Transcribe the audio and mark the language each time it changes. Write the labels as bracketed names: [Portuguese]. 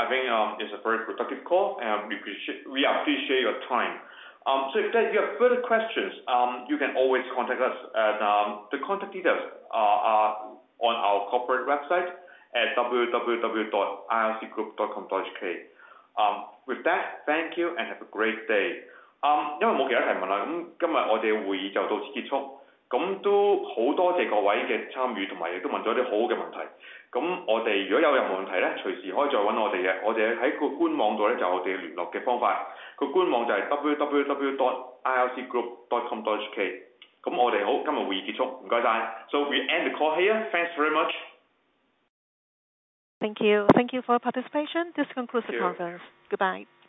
[English] I think it's a very productive call and we appreciate your time. So if you have further questions, you can always contact us at the contact details are on our corporate website at www.ilcgroup.com.hk. With that, thank you and have a great day. [Cantonese] 因為沒有其他提問了，今天我們的會議就到此結束，咁都好多謝各位嘅參與，同埋亦都問咗啲好好嘅問題。咁我哋如果有任何問題咧，隨時可以再揾我哋嘅。我哋喺個官網度咧，就我哋聯絡嘅方法。個官網就係 www.ilcgroup.com.hk。咁我哋好，今日會議結束，唔該曬。 [English] So we end the call here. Thanks very much. Thank you. Thank you for participation. This concludes the conference. Goodbye.